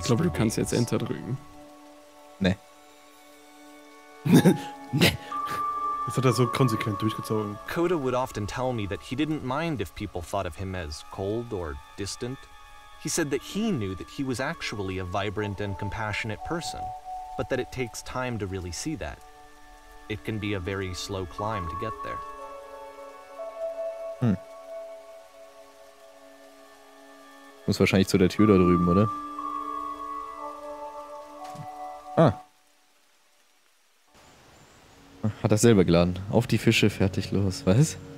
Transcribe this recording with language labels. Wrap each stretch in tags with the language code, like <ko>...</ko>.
<de>Ich glaube, du kannst jetzt Enter drücken. Nee. Nee. Das hat er so konsequent durchgezogen.</de> <en>Coda would often tell me that he didn't mind if people thought of him as cold or distant. He said that he knew that he was actually a vibrant and compassionate person, but that it takes time to really see that. It can be a very slow climb to get there.</en> <de>Muss wahrscheinlich zu der Tür da drüben, oder? Ah. Hat das selber geladen. Auf die Fische, fertig, los. Was?</de>